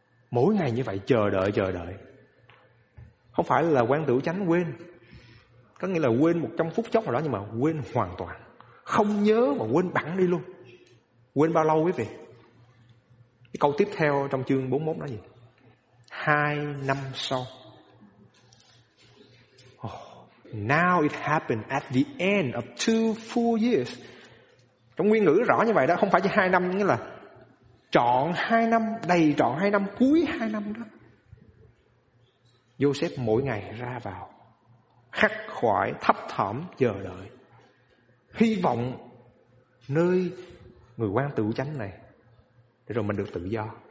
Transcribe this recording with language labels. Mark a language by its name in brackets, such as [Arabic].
[Vietnamese] Mỗi ngày như vậy chờ đợi. Không phải là quan tử chánh quên, có nghĩa là quên một trong phút chốc nào đó, nhưng mà quên hoàn toàn, không nhớ mà quên bẵng đi luôn. Quên bao lâu quý vị? Cái câu tiếp theo trong chương 41 nói gì? 2 năm sau. [English] Now it happened at the end of 2 full years. [Vietnamese] Trong nguyên ngữ rõ như vậy đó, không phải chỉ 2 năm, nghĩa là trọn 2 năm, đầy trọn 2 năm, cuối 2 năm đó. Joseph mỗi ngày ra vào, khắc khoải, thấp thỏm, chờ đợi, hy vọng nơi người quan tử chánh này, để rồi mình được tự do.